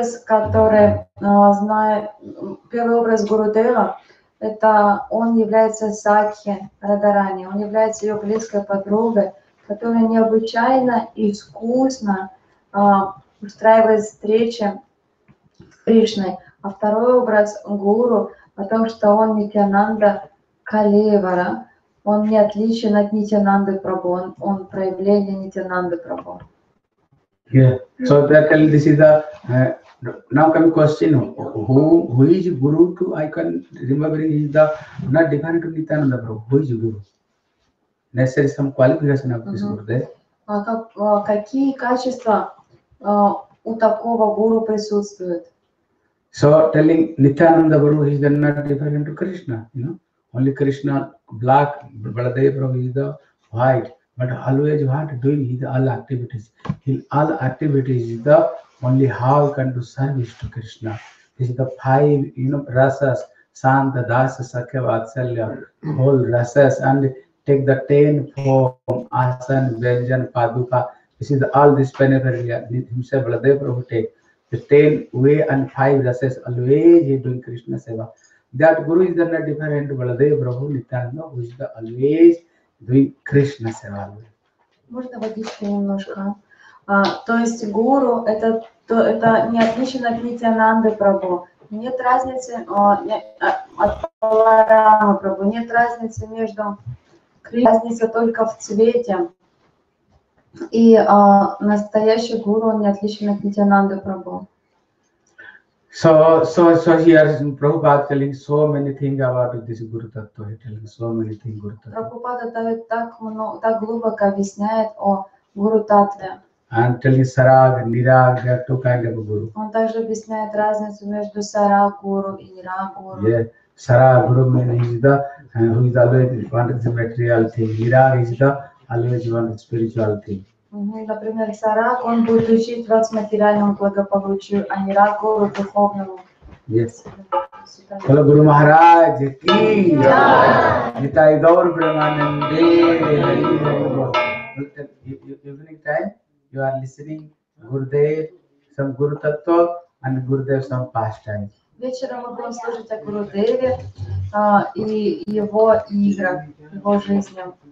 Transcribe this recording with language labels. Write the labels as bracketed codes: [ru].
[ru] Первый образ Гурудева, это он является Сакхи Радарани, он является ее близкой подругой, которая необычайно искусно устраивает встречи с Кришной. А второй образ гуру, потому что он Нитянанда Калевара, он не отличен от Нитянанды Прабху, он проявление Нитянанды Прабху. [en] Yeah. So they're telling this is the now coming question. Who is guru to I can remember is the not different from Nitananda Prabhu. Who is guru? Necessary some qualification of this Gurudev. [ru] Какие качества у такого гуру присутствует. [en] So telling Nityananda Guru is then not different to Krishna, you know. Only Krishna black, Baladeva Prabhu is the white, but always what doing is all activities. In all activities is the only how can do service to Krishna. This is the five, you know, rasas, Santa, Dasa, Sakya, Vatsalya, whole rasas, and take the 10 form, Asan, Vyanjan, Paduka. This is the, all this paraphernalia himself, Baladeva Prabhu take. The 10 way and 5 rasas always he doing Krishna Seva. That Guru is not different to Baladeva Prabhu Nityananda, who is the always doing Krishna Seva. [ru] Можно водичку немножко? То есть Гуру это не отличен от Нитянанды Прабху. Нет разницы от Баларама Прабху. Нет разницы между Кришной. Разница только в цвете. И настоящий гуру он не отличен от Нитянанды Прабху. [en] So here Prabhupada telling so many things about this Guru Tattva. He telling so many things Guru Tattva. [ru] Прабхупада так глубоко объясняет о Гуру Таттве. [en] And telling Sarag, Nirag, there are two kinds of Guru. [ru] Он также объясняет разницу между Сараг Гуру и Нираг Гуру. [en] Yeah. Сараг Гуру means who is always wanting the material thing. Нираг is the always one spiritual thing. [ru] Например, Сарак, он будет учить вас материальному благополучию, а не Раку духовному. [en] Yes. Hello, Guru Maharaj. Ki. Gita Idaur Brahmanandi. Evening time, you are listening Gurudev, some Guru Tattva, and Gurudev some pastime. [ru] Вечером мы будем слушать о Гурудеве и его играх, его жизни.